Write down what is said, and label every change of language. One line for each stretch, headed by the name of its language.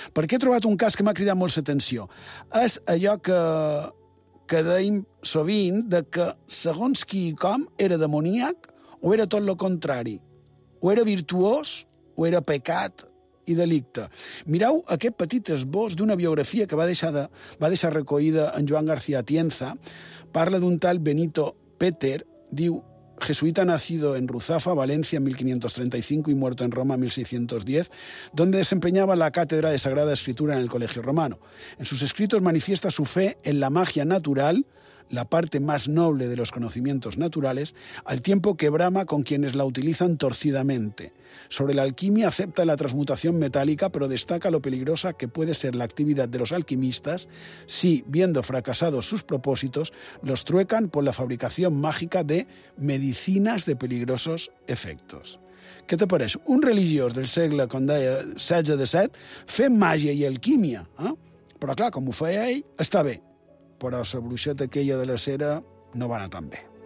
Catalan: Perquè he trobat un cas que m'ha cridat molt l'atenció. És allò que deim sovint, de que segons qui i com era demoníac o era tot el contrari. O era virtuós o era pecat i delicte. Mireu aquest petit esbós d'una biografia que va deixar recollida en Joan García Atienza. Parla d'un tal Benito Peter, diu...
Spanish: Jesuita nacido en Ruzafa, Valencia, 1535 y muerto en Roma, 1610, donde desempeñaba la cátedra de Sagrada Escritura en el Colegio Romano. En sus escritos manifiesta su fe en la magia natural, la parte más noble de los conocimientos naturales, al tiempo que brama con quienes la utilizan torcidamente. Sobre la alquimia acepta la transmutación metálica, pero destaca lo peligrosa que puede ser la actividad de los alquimistas si, viendo fracasados sus propósitos, los truecan por la fabricación mágica de medicinas de peligrosos efectos. ¿Qué te parece?
Catalan: Un religiós del segle XVI-XVII fer màgia i alquimia. Però, clar, com ho feia ell, està bé. Però la bruixeta aquella de la cera no va anar tan bé.